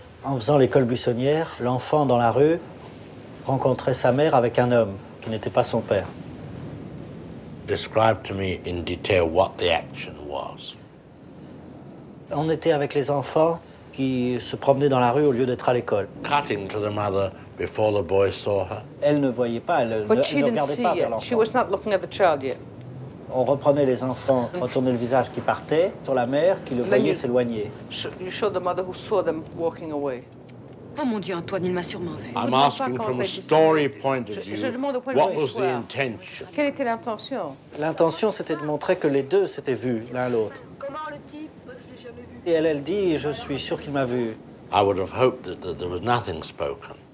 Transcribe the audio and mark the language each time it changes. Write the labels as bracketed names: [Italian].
[French] En faisant l'école buissonnière, l'enfant dans la rue rencontrait sa mère avec un homme. Qui n'était pas son père. [English] Describe to me in detail what the action was. [French] On était avec les enfants qui se promenaient dans la rue au lieu d'être à l'école. [English] Cutting to the mother before the boy saw her. [French] Elle ne voyait pas, elle ne regardait pas vers l'enfant. [English] She was not looking at the child yet. [French] On reprenait les enfants, retournait le visage qui partait sur la mère qui le voyait s'éloigner. [English] You showed the mother who saw them walking away. [French] Oh mon Dieu, Antoine, il m'a sûrement vu. [English] I'm asking from a story point of view. What was the intention? [French] Quelle était l'intention? L'intention, c'était de montrer que les deux s'étaient vus l'un l'autre. Comment le type? Je l'ai jamais vu. Et elle, elle dit, je suis sûr qu'il m'a vu. [English] I would have hoped that there was nothing spoken.